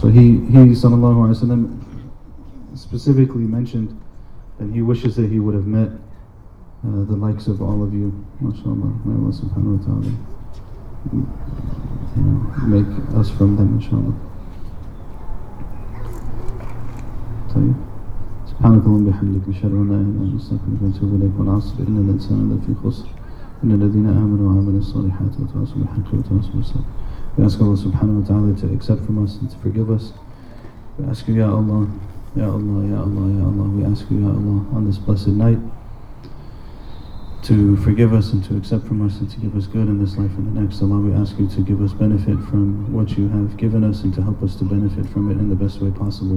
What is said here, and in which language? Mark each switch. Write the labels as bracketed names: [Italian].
[English] So he, sallallahu alayhi wa sallam, specifically mentioned that he wishes that he would have met the likes of all of you. MashaAllah. May Allah subhanahu wa ta'ala, you know, make us from them, inshallah. Tell you. [Arabic] سبحانك اللهم وبحمدك نشهد ان لا اله الا انت نستغفرك ونتوب اليك والعصر ان الانسان لفي خسر ان الذين امنوا وعملوا الصالحات وتواصوا بالحق وتواصوا بالصبر. [English] We ask Allah subhanahu wa ta'ala to accept from us and to forgive us. We ask you, Ya Allah, Ya Allah, Ya Allah, Ya Allah, we ask you, Ya Allah, on this blessed night to forgive us and to accept from us and to give us good in this life and the next. Allah, we ask you to give us benefit from what you have given us and to help us to benefit from it in the best way possible.